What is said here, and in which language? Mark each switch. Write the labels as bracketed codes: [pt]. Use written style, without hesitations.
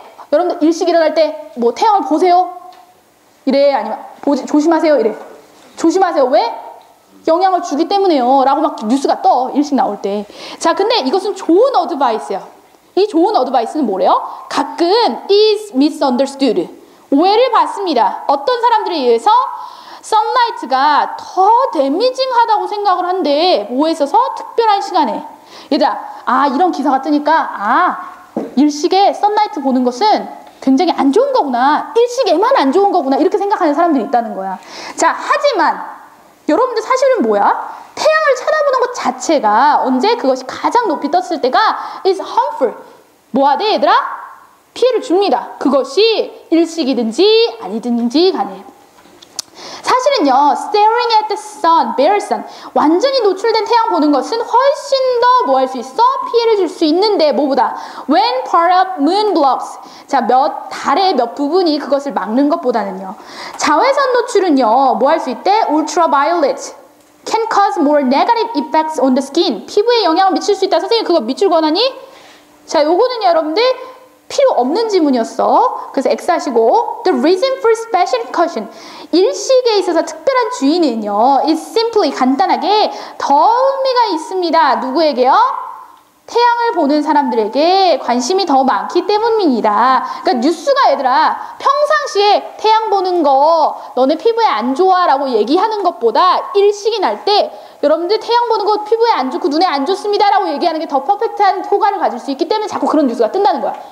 [ko] 여러분들 일식 일어날 때 뭐 태양을 보세요? 이래, 아니면 조심하세요? 이래. 조심하세요. 왜? 영향을 주기 때문에요. 라고 막 뉴스가 떠, 일식 나올 때. 자, 근데 이것은 좋은 어드바이스예요. 이 좋은 어드바이스는 뭐래요? 가끔 [en] is misunderstood. [ko] 오해를 받습니다. 어떤 사람들에 의해서 sunlight가 더 데미징하다고 생각을 한대. 뭐에 있어서? 특별한 시간에. 얘들아, 아, 이런 기사가 뜨니까, 아, 일식에 sunlight 보는 것은 굉장히 안 좋은 거구나. 일식에만 안 좋은 거구나. 이렇게 생각하는 사람들이 있다는 거야. 자, 하지만 여러분들 사실은 뭐야? 태양을 쳐다보는 것 자체가 언제 그것이 가장 높이 떴을 때가 [en] is harmful. [ko] 뭐야 돼, 얘들아? 피해를 줍니다. 그것이 일식이든지 아니든지 간에. 사실은요, [en] staring at the sun, bare sun, [ko] 완전히 노출된 태양 보는 것은 훨씬 더 뭐 할 수 있어? 피해를 줄 수 있는데, 뭐보다? [en] When part of moon blocks, [ko] 자, 몇 달의 몇 부분이 그것을 막는 것보다는요. 자외선 노출은요, 뭐 할 수 있대? [en] Ultraviolet can cause more negative effects on the skin. [ko] 피부에 영향을 미칠 수 있다. 선생님, 그거 미칠 권하니? 자, 요거는 여러분들, 필요 없는 질문이었어. 그래서 X 하시고 [en] The reason for special caution. [ko] 일식에 있어서 특별한 주의는요. [en] It's simply [ko] 간단하게 더 의미가 있습니다. 누구에게요? 태양을 보는 사람들에게 관심이 더 많기 때문입니다. 그러니까 뉴스가 얘들아 평상시에 태양 보는 거 너네 피부에 안 좋아라고 얘기하는 것보다 일식이 날 때 여러분들 태양 보는 거 피부에 안 좋고 눈에 안 좋습니다라고 얘기하는 게 더 퍼펙트한 효과를 가질 수 있기 때문에 자꾸 그런 뉴스가 뜬다는 거야.